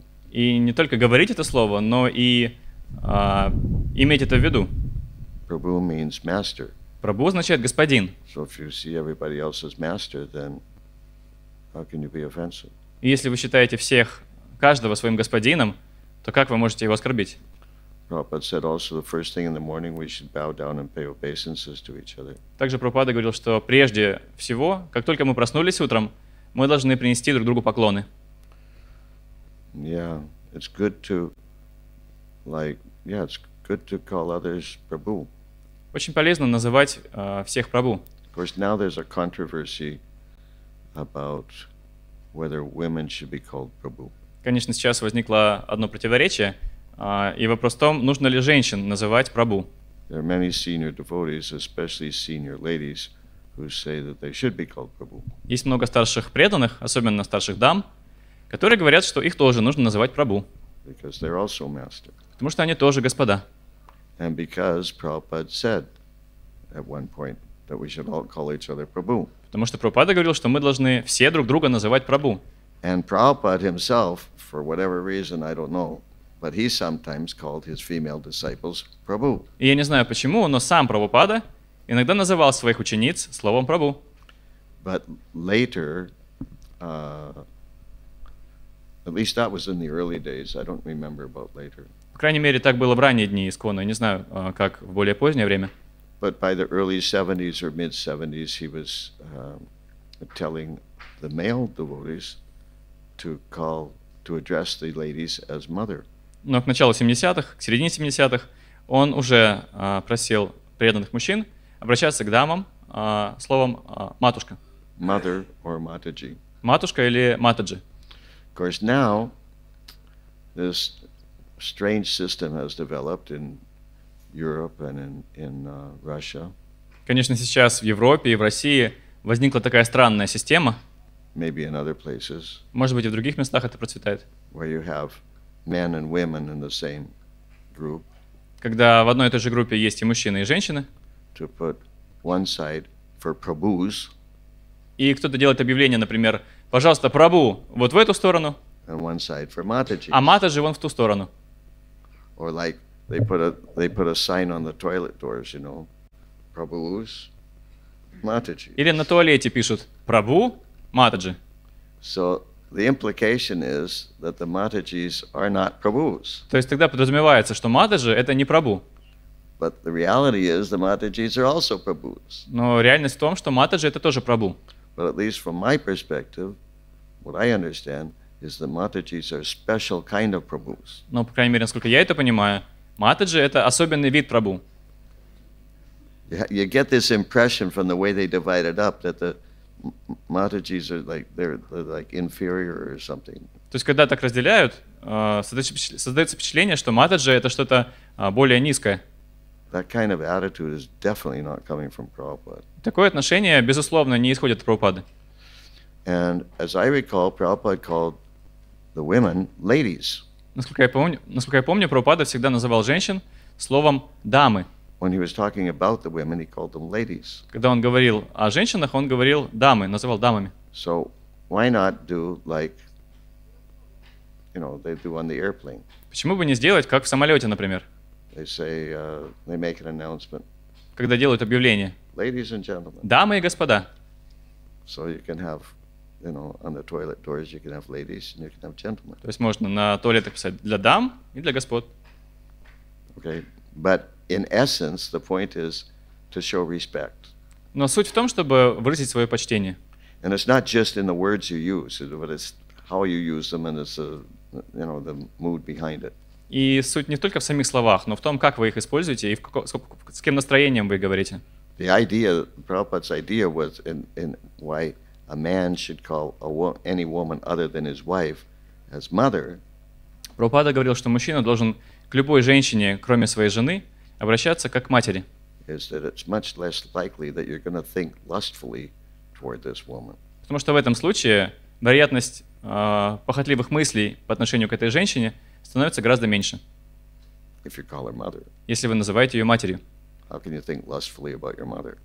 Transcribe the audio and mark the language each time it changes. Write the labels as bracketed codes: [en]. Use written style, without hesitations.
[ru] И не только говорить это слово, но и иметь это в виду. [en] Прабу means master. [ru] Прабу означает господин. [en] So if you see everybody else as master, then how can you be offensive? [ru] И если вы считаете всех, каждого своим господином, то как вы можете его оскорбить? [en] Prabhupada said also the first thing in the morning we should bow down and pay obeisances to each other. [ru] Также Прабхупада говорил, что прежде всего, как только мы проснулись утром, мы должны принести друг другу поклоны. [en] Yeah, it's good to it's good to call others Prabhu. [ru] Очень полезно называть всех Прабу. [en] Of course, now there's a controversy about whether women should be called Prabhu. [ru] Конечно, сейчас возникло одно противоречие. И вопрос в том, нужно ли женщин называть Прабу. [en] There are many senior devotees, especially senior ladies, who say that they should be called Prabhu. [ru] Есть много старших преданных, особенно старших дам, которые говорят, что их тоже нужно называть Прабу. [en] Because they're also master. [ru] Потому что они тоже господа. [en] And because Prabhupada said at one point that we should all call each other Prabhu. [ru] Потому что Прабхупада говорил, что мы должны все друг друга называть Прабу. [en] And Prabhupada himself, for whatever reason, I don't know, but he sometimes called his female disciples Prabhu. [ru] И я не знаю почему, но сам Прабхупада иногда называл своих учениц словом Прабу. [en] But later, at least that was in the early days. I don't remember about later. [ru] По крайней мере, так было в ранние дни Искона. Я не знаю, как в более позднее время. [en] But by the early 70s or mid 70s, he was telling the male devotees to call to address the ladies as mother. [ru] Но к началу 70-х, к середине 70-х, он уже просил преданных мужчин обращаться к дамам словом «матушка». [en] Mother or Mataji. [ru] Матушка или Матаджи. [en] Of course, now this strange system has developed in Europe and in Russia. [ru] Конечно, сейчас в Европе и в России возникла такая странная система. [en] Maybe in other places. [ru] Может быть, и в других местах это процветает. [en] Where you have men and women in the same group. [ru] Когда в одной и той же группе есть и мужчины, и женщины. [en] To put one side for Prabhus. [ru] И кто-то делает объявление, например, пожалуйста, Прабу, вот в эту сторону. [en] And one side for Mataji. [ru] А Матаджи вон в ту сторону. [en] Or like they put a sign on the toilet doors, you know. Prabhu's Mataji. [ru] Или на туалете пишут Прабу Матаджи. [en] So the implication is that the Matajis are not Prabhus. [ru] То есть тогда подразумевается, что Матаджи это не Прабу. [en] But the reality is the Matajis are also Prabhus. [ru] Но реальность в том, что Матаджи это тоже Прабу. [en] But at least from my perspective, what I understand is the Matajis are special kind of Prabhus. [ru] Но по крайней мере, насколько я это понимаю, Матаджи это особенный вид Прабу. [en] You get this impression from the way they divide it up that the Matajis are like they're like inferior or something. [ru] То есть когда так разделяют, создается впечатление, что Матаджи это что-то более низкое. [en] That kind of attitude is definitely not coming from Prabhupada. [ru] Такое отношение, безусловно, не исходит от Прабхупады. [en] And as I recall, Prabhupada called the women ladies. [ru] Насколько я помню, Прабхупада всегда называл женщин словом дамы. [en] When he was talking about the women, he called them ladies. [ru] Когда он говорил о женщинах, он говорил дамы, называл дамами. [en] So why not do like, you know, they do on the airplane? [ru] Почему бы не сделать, как в самолете, например? [en] They say they make an announcement. [ru] Когда делают объявление. [en] Ladies and gentlemen. [ru] Дамы и господа. [en] So you can have, you know, on the toilet doors you can have ladies and you can have gentlemen. [ru] То есть можно на туалетах писать для дам и для господ. [en] Okay, but in essence the point is to show respect. [ru] Но суть в том, чтобы выразить свое почтение. [en] And it's not just in the words you use, but it's how you use them and it's you know the mood behind it. [ru] И суть не только в самих словах, но в том, как вы их используете и с каким настроением вы говорите. [en] The idea, Prabhupada's idea was in why a man should call any woman other than his wife as mother. [ru] Прабхупада говорил, что мужчина должен к любой женщине, кроме своей жены, обращаться как к матери. [en] Is that it's much less likely that you're going to think lustfully toward this woman. [ru] Потому что в этом случае вероятность похотливых мыслей по отношению к этой женщине становится гораздо меньше. [en] If you call her mother. [ru] Если вы называете ее матерью. [en] How can you think lustfully about your mother?